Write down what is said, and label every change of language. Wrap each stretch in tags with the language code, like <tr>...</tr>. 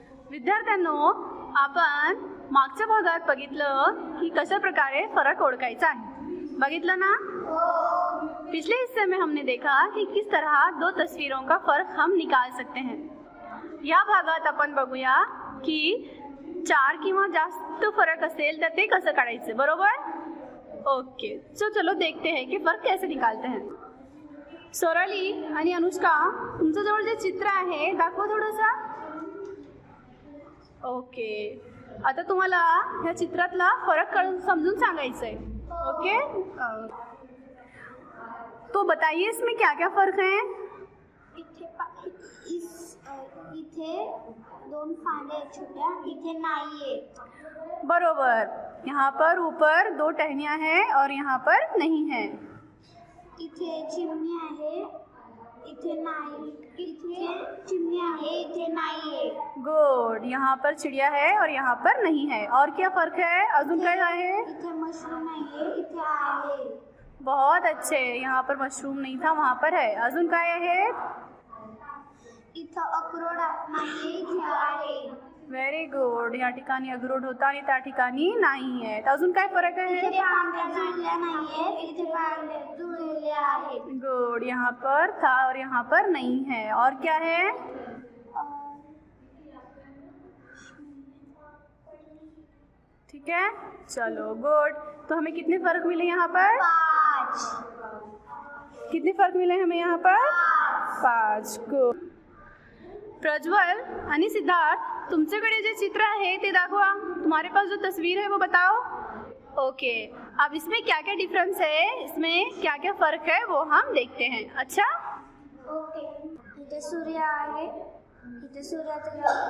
<mr>विद्यार्थ्यांनो, आपण मागच्या भागात बघितलं की कशा प्रकारे फरक ओळखायचा आहे, बघितलं ना?</mr> <hi>पिछले हिस्से में हमने देखा की किस तरह दो तस्वीरों का फर्क हम निकाल सकते हैं।</hi> <mr>या भागात आपण बघूया की चार किंवा जास्त फरक असेल तर ते कसं काढायचं, बरोबर?</mr> <hi>ओके, चलो देखते हैं की फरक कैसे निकालते हैं।</hi> <mr>सोराली आणि अनुष्का, तुमच्याजवळ जे चित्र आहे दाखवा थोडंसं। ओके, आता तुम्हाला ह्या चित्रातला फरक समजून सांगायचं आहे।</mr> <hi>ओके, तो बताइए इसमें क्या क्या फर्क है।</hi> <mr>इथे दोन फांदे छोट्या, इथे नाहीये।</mr> <hi>बरोबर, यहाँ पर ऊपर दो टहनिया है और यहाँ पर नहीं है।</hi> <mr>इथे चिमणी आहे, इथे नाही। इथे चिमणी आहे, इथे नाहीये।</mr> <hi>गुड, यहाँ पर चिड़िया है और यहाँ पर नहीं है। और क्या फर्क है,</hi> <mr>अजून काय आहे? इथे मशरूम आहे, इथे आहे।</mr> <hi>बहुत अच्छे, यहाँ पर मशरूम नहीं था, वहाँ पर है।</hi> <mr>अजून काय आहे? इथे अक्रोड नाहीये, इथे आहे। व्हेरी गुड, या ठिकाणी अक्रोड होता आणि त्या ठिकाणी नाही आहे। तर अजून काय फरक आहे? इथे पांढरे झाले नाहीये, इथे पांढरे झाले आहेत।</mr> <hi>गुड, यहाँ पर था और यहाँ पर नहीं है। और क्या है? ठीक है, चलो गुड। तो हमें कितने फर्क मिले यहाँ पर? पांच। कितने फर्क मिले हमें यहाँ पर? पांच। गुड।</hi> <mr>प्रज्वल आणि सिद्धार्थ, तुमच्याकडे जे चित्र आहे ते दाखवा।</mr> <hi>तुम्हारे पास जो तस्वीर है वो बताओ। ओके, अब इसमें क्या क्या डिफरेंस है, इसमें क्या क्या फर्क है वो हम देखते हैं। अच्छा, ओके।</hi> <mr>इथे सूर्य आहे, इथे सूर्य आहे।</mr>